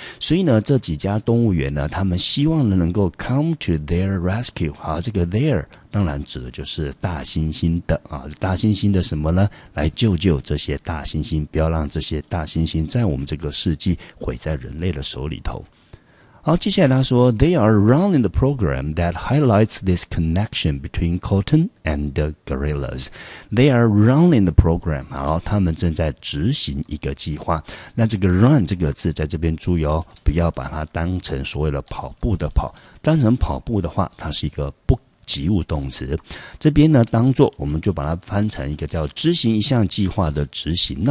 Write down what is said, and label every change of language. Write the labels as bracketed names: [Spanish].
[Chinese] 所以呢这几家动物园呢，他们希望能够 [English] come to their rescue。 [Chinese] 好，这个 there 当然指的就是大猩猩的啊，大猩猩的什么呢，来救救这些大猩猩，不要让这些大猩猩在我们这个世纪毁在人类的手里头。好，接下来他说 [English] They are running the program that highlights this connection between Colton and the gorillas. They are running the program. [Chinese] 好，他们正在执行一个计划。那这个 run 这个字在这边注意哦，不要把它当成所谓的跑步的跑。当成跑步的话，它是一个不及物动词，这边呢当作我们就把它翻成一个叫执行一项计划的执行。